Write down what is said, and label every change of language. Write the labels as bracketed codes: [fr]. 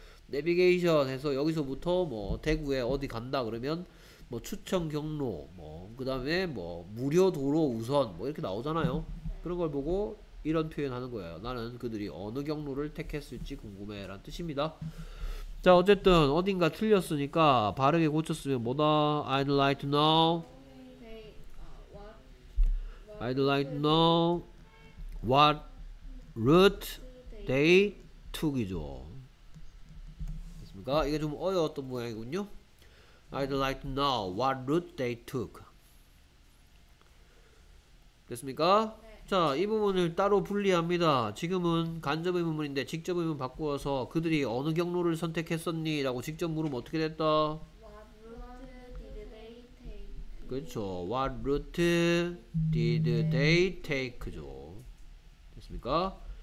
[ko] 내비게이션에서 여기서부터 뭐 대구에 어디 간다 그러면 뭐 추천 경로 뭐 그 다음에 뭐 무료 도로 우선 뭐 이렇게 나오잖아요. 그런 걸 보고 이런 표현하는 거예요. 나는 그들이 어느 경로를 택했을지 궁금해 라는 뜻입니다. 자 어쨌든 어딘가 틀렸으니까 바르게 고쳤으면 뭐다? [en] I'd like to know I'd like to know what route they took이죠. [ko] 아, 이게 좀 어려웠던 모양이군요. [en] I'd like to know what route they took. [ko] 됐습니까? 네. 자, 이 부분을 따로 분리합니다. 지금은 간접 의문문인데 직접 의문 바꾸어서 그들이 어느 경로를 선택했었니? 라고 직접 물으면 어떻게 됐다? [en] What route did they take? 그렇죠. What route did they take?죠. 됐습니까?